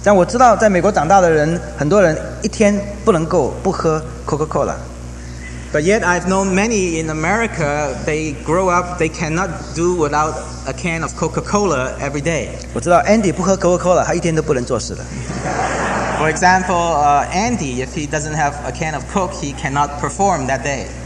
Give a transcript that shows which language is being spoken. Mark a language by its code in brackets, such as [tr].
[zh] 但我知道在美国长大的人, 很多人一天不能够不喝 Coca-Cola。 [en] But yet I've known many in America, they grow up, they cannot do without a can of Coca-Cola every day. [zh] 我知道Andy不喝 Coca-Cola, 他一天都不能做事的。 [en] For example, Andy, if he doesn't have a can of Coke, he cannot perform that day.